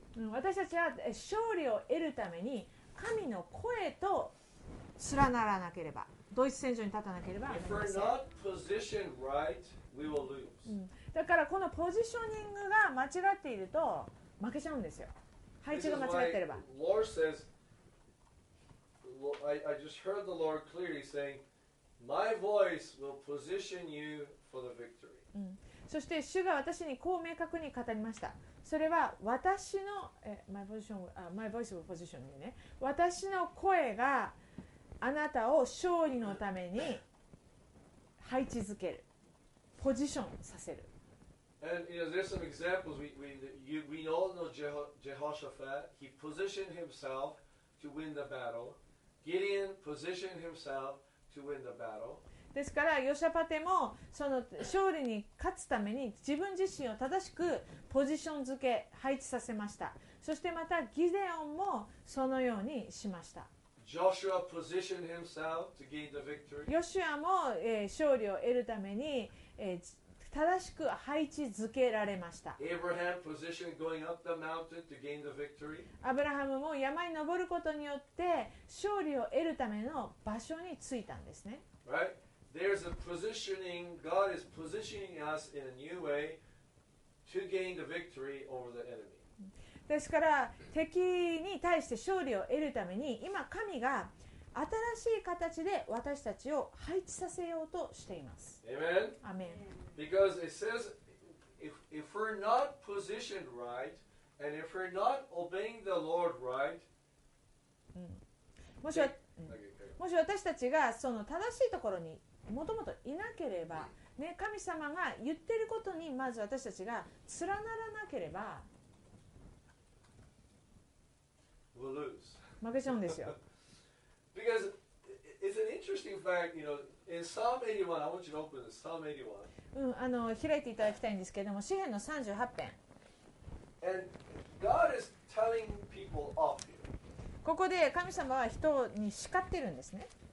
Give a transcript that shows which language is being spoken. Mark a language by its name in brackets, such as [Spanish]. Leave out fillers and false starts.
[Japanese] 私たちは勝利を得るために神の声と連ならなければドイツ戦場に立たなければなりません。 [English] If we're not positioned right, we will lose. [Japanese] だからこのポジショニングが間違っていると負けちゃうんですよ。配置が間違っていれば。 [English] Lord says, I just heard the Lord clearly saying, my voice will position you for the victory. [Japanese] そして主が私にこう明確に語りました。それは私の [English] my position, my voice will position you ね。 [Japanese] 私の声があなたを勝利のために配置づける、ポジションさせる。 [English] And you know, there's some examples. We all know Jehoshaphat. He positioned himself to win the battle. Gideon positioned himself to win the battle. [Japanese] ですからヨシャパテもその勝利に勝つために自分自身を正しくポジション付け、配置させました。そしてまたギデオンもそのようにしました。 [English] Joshua positioned himself to gain the victory. [Japanese] ヨシュアも勝利を得るために正しく配置付けられました。 [English] Abraham positioned going up the mountain to gain the victory. [Japanese] アブラハムも山に登ることによって勝利を得るための場所に着いたんですね。 [English] Right? There's a positioning. God is positioning us in a new way to gain the victory over the enemy. [Japanese] ですから敵に対して勝利を得るために今神が新しい形で私たちを配置させようとしています。 [English] Amen. Amen. Because it says if we're not positioned right and if we're not obeying the Lord right、 [Japanese] もし私たちがその正しいところにもともといなければ、ね、神様が言ってることにまず私たちが連ならなければ [English] we'll lose. [Japanese] 負けちゃうんですよ。 [English] Because it's an interesting fact, you know, in Psalm 81, I want you to open this, Psalm 81. [Japanese] 開いていただきたいんですけれども、詩篇の38編。 [English] And God is telling people off here. [Japanese] ここで神様は人に叱ってるんですね。